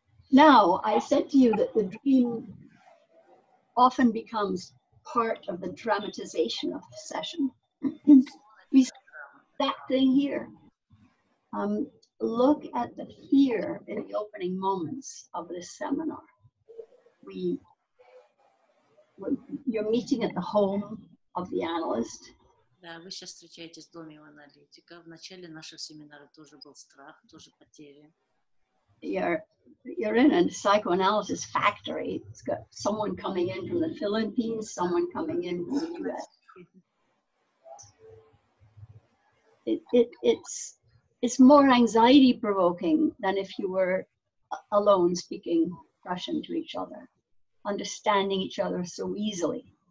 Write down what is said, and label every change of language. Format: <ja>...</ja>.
<en>Now, I said to you that the dream often becomes part of the dramatization of the session. We see that thing here. Look at the fear in the opening moments of this seminar. You're meeting at the home of the analyst.</en> <ru>Да, вы сейчас встречаетесь в доме у аналитика. В начале нашего семинара тоже был страх, тоже потеря.</ru> <en>You're in a psychoanalysis factory. It's got someone coming in from the Philippines, someone coming in from the US. It's more anxiety provoking than if you were alone speaking Russian to each other, understanding each other so easily.</en>